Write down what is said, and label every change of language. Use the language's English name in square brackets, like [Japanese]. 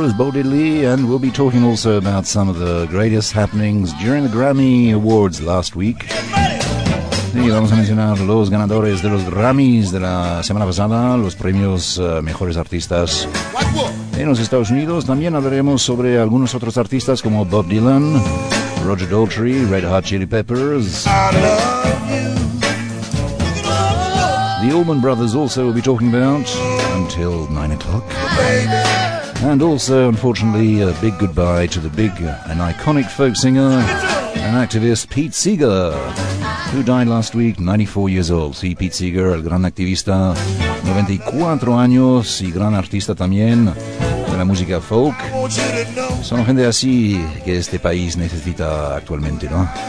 [English] Talking also about some of the greatest happenings during the Grammy Awards last week. [Spanish] Y vamos a mencionar los ganadores de los Grammys de la semana pasada, los premios mejores artistas en los Estados Unidos. También hablaremos sobre algunos otros artistas como Bob Dylan, Roger Daltrey, Red Hot Chili Peppers. [English] The Allman Brothers also will be talking about until 9 o'clock. And also, unfortunately, a big goodbye to the big and iconic folk singer and activist Pete Seeger, who died last week, 94 years old. [Spanish] Sí, Pete Seeger, el gran activista, 94 años y gran artista también, de la música folk. Son gente así que este país necesita actualmente, ¿no?